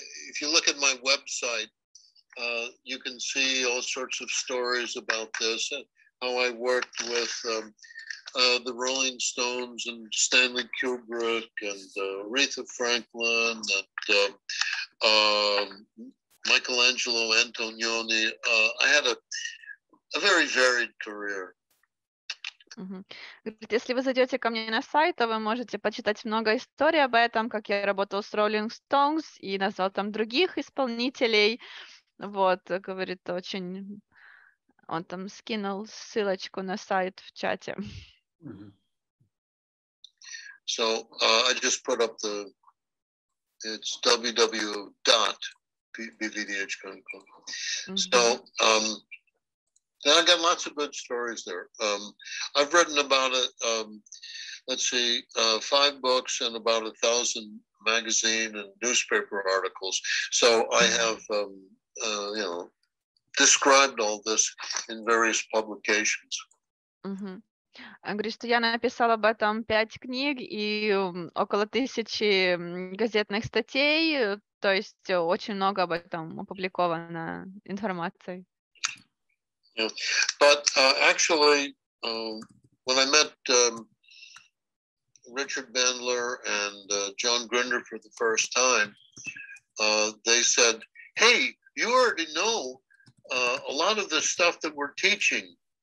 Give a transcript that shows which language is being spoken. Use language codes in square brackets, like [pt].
[en] If you look at my website, you can see all sorts of stories about this and how I worked with the Rolling Stones and Stanley Kubrick and Aretha Franklin and Michelangelo Antonioni. I had a very varied career. [ru] Говорит, если вы зайдете ко мне на сайт, то вы можете почитать много историй об этом, как я работал с Rolling Stones и назвал там других исполнителей. Вот, говорит, очень... Он там скинул ссылочку на сайт в чате. [en] So, I just put up the... It's www.bvdh.com. So, And I got lots of good stories there. I've written about let's see, five books and about 1,000 magazine and newspaper articles. So I have, you know, described all this in various publications. [ru] Говорит, что я написала об этом 5 книг и около 1000 газетных статей, то есть очень много об этом опубликовано информации. [en] But actually, when I met Richard Bandler and John Grinder for the first time, they said, "Hey, you already know a lot of the stuff that we're teaching.